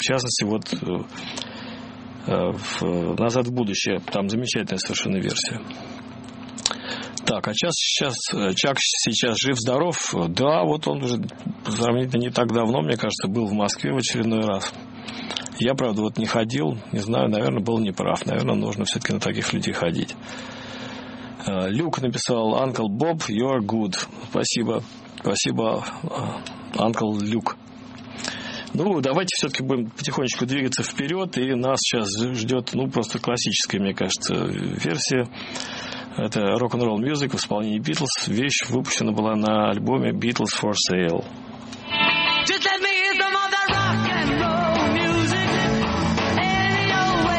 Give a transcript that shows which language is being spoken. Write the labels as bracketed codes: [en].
[ru] В частности, вот в «Назад в будущее» там замечательная совершенно версия. Так, а Чак сейчас жив-здоров? Да, вот он уже сравнительно не так давно, мне кажется, был в Москве в очередной раз. Я, правда, вот не ходил, не знаю, наверное, был неправ. Наверное, нужно все-таки на таких людей ходить. Люк написал: [en] «Uncle Bob, you are good». [ru] Спасибо. Спасибо, Uncle Люк. Ну, давайте все-таки будем потихонечку двигаться вперед, и нас сейчас ждет, ну, просто классическая, мне кажется, версия. Это рок-н-ролл мюзик в исполнении Beatles. Вещь выпущена была на альбоме Beatles for Sale. [en] Just let me hear some of that rock and roll music. Any old